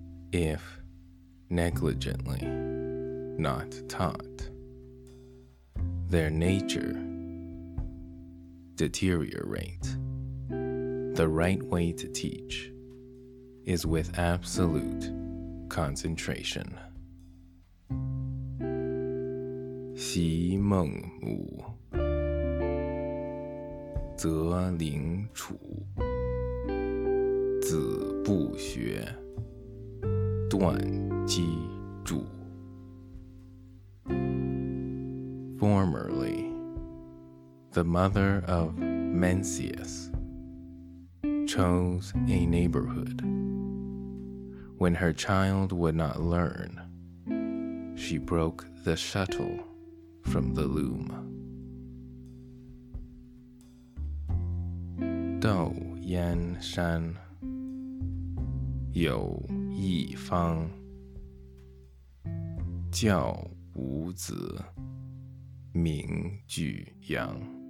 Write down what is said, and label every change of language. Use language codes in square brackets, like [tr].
[en] If negligently not taught, their nature deteriorate. The right way to teach is with absolute concentration. [zh] 习孟母 则灵处 子不学 断机杼. [en] Formerly, the mother of Mencius chose a neighborhood. When her child would not learn, she broke the shuttle from the loom. [zh] 窦燕山 有一方 教无子 名俱扬.